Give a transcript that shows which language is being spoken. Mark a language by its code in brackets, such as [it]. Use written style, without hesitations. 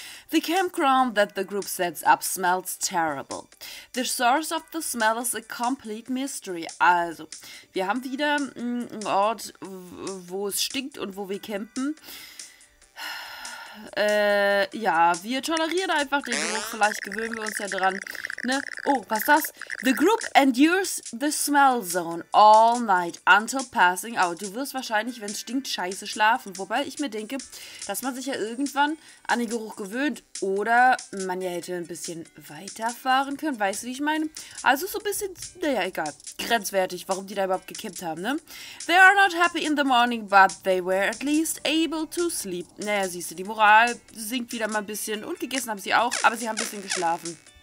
[en] The campground that the group sets up smells terrible. The source of the smell is a complete mystery. [de] Also, wir haben wieder einen Ort, wo es stinkt und wo wir campen. Ja, wir tolerieren einfach den Geruch. Vielleicht gewöhnen wir uns ja dran. Ne? Oh, was ist das? [en] The group endures the smell zone all night until passing out. [de] Du wirst wahrscheinlich, wenn es stinkt, scheiße schlafen. Wobei ich mir denke, dass man sich ja irgendwann an den Geruch gewöhnt. Oder man ja hätte ein bisschen weiterfahren können. Weißt du, wie ich meine? Also so ein bisschen, naja, egal. Grenzwertig, warum die da überhaupt gekippt haben, ne? [en] They are not happy in the morning, but they were at least able to sleep. [de] Naja, siehst du, die Moral sinkt wieder mal ein bisschen. Und gegessen haben sie auch, aber sie haben ein bisschen geschlafen.